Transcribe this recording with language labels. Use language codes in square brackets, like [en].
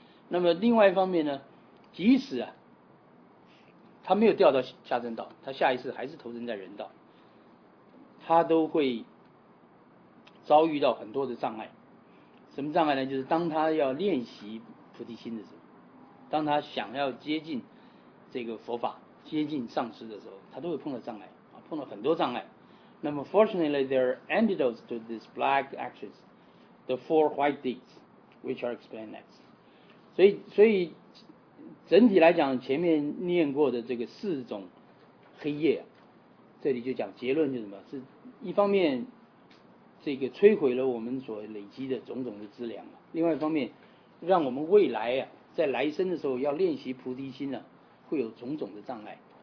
[zh] 那么另外一方面呢，即使啊他没有掉到下三道，他下一次还是投身在人道，他都会遭遇到很多的障碍。什么障碍呢？就是当他要练习菩提心的时候，当他想要接近这个佛法，接近上师的时候，他都会碰到障碍啊，碰到很多障碍。那么 [en] fortunately there are antidotes to these black actions, the four white deeds, which are explained next. [zh] 所以整体来讲，前面念过的这个四种黑夜，这里就讲结论，就是什么，是一方面这个摧毁了我们所累积的种种的资粮，另外一方面让我们未来啊，在来生的时候要练习菩提心呢，会有种种的障碍。